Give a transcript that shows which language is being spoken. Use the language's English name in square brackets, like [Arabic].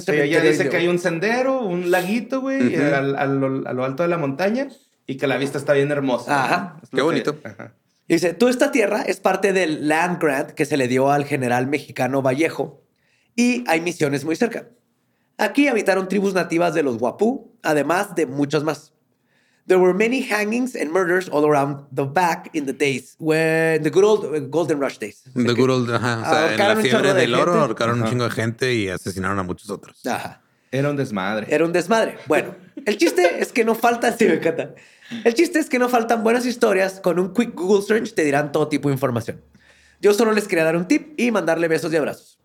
[Spanish] cementerio. Sí, ella dice que hay un sendero, un laguito, güey, a lo alto de la montaña y que la vista está bien hermosa. Ajá. Qué bonito. Y dice, toda esta tierra es parte del land grant que se le dio al general mexicano Vallejo y hay misiones muy cerca. Aquí habitaron tribus nativas de los Wapú, además de muchas más. [English] There were many hangings and murders all around the back in the days when the good old golden rush days. The good old, ajá. [Spanish] O sea, en la fiebre del oro ahorcaron un chingo de gente y asesinaron a muchos otros. Ajá. Era un desmadre. Era un desmadre. Bueno, el chiste es que no falta... Sí, me encanta. El chiste es que no faltan buenas historias. Con un [English] quick Google search [Spanish] te dirán todo tipo de información. Yo solo les quería dar un tip y mandarle besos y abrazos.